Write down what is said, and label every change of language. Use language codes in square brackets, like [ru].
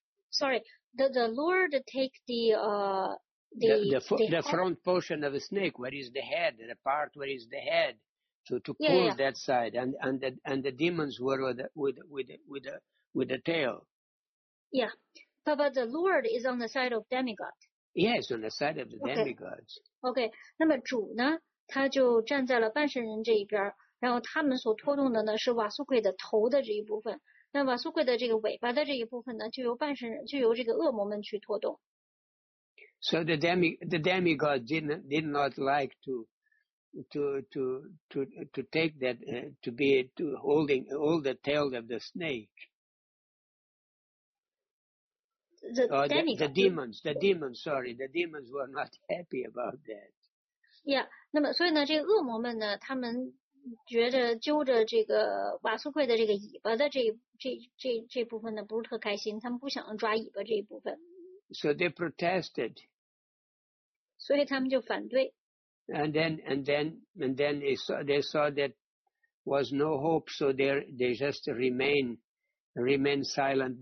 [en] Sorry, the Lord take the front portion of the snake, where is the head, the part where is the head, to pull that side, and the demons were with the tail. Yeah, but the Lord is on the side of demigod. Yes, on the side of the demigods. [zh] Okay, 那么主呢，他就站在了半神人这一边，然后他们所拖动的呢是瓦苏奎的头的这一部分。那瓦苏奎的这个尾巴的这一部分呢，就由半神人，就由这个恶魔们去拖动。 [en] So the demigod did not like to take that to hold the tail of the snake. The demons were not happy about that. [zh] Yeah, 那么所以呢，这个恶魔们呢，他们觉得揪着这个瓦苏奎的这个尾巴的这部分呢，不是特开心，他们不想抓尾巴这一部分。 [en] So they protested. [zh] 所以他们就反对。 [en] And then they saw that was no hope, so they just remain silent.